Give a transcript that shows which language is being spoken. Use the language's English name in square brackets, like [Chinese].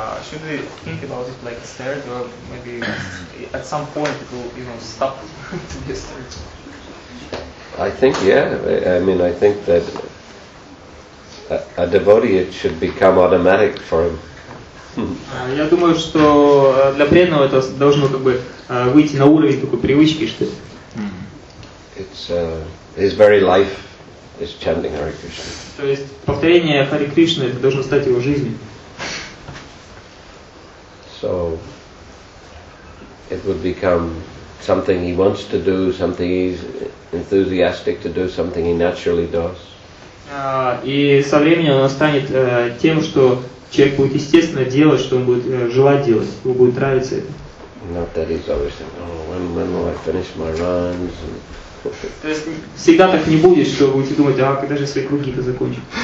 [English] Should we think about it like austerity, or maybe at some point it will, you know, stop to be austerity? I think, yeah. I mean, I think that a devotee, it should become automatic for him. [Russian] Я думаю, что для преданного это должно как бы выйти на уровень такой привычки, что. [English] It's his very life is chanting Hare Krishna. [Russian] То есть повторение Хари Кришны это должно стать его жизнью. [English] So it would become something he wants to do, something he's enthusiastic to do, something he naturally does. [Russian] И со временем он станет тем, что человек будет естественно делать, что он будет желать делать, ему будет нравиться это. [English] Not that he's always thinking, oh, when will I finish my runs? And [Russian] то есть всегда так не будет, что будете думать, а когда же свои круги-то закончу?